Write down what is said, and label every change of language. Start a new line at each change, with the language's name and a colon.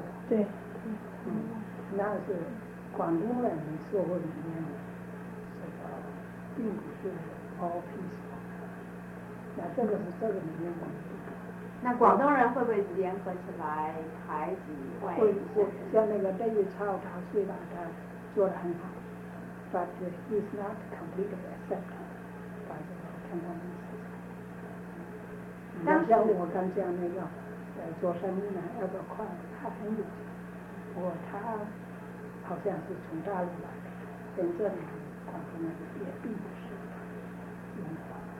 Chinese: 对，那是广东人的社会里面这个并不是
English: all peace，
Chinese: 那这个是这个里面广东人。那广东人会不会联合起来排挤外省人？会，像那个贝聿超，他虽然他做得很好 ，
English: but he's not completely accepted by the Cantonese。
Chinese: 当时我刚讲那个，做生意呢，要不快，他很有钱，不过他好像是从大陆来的，跟这里广东人也并不是融合。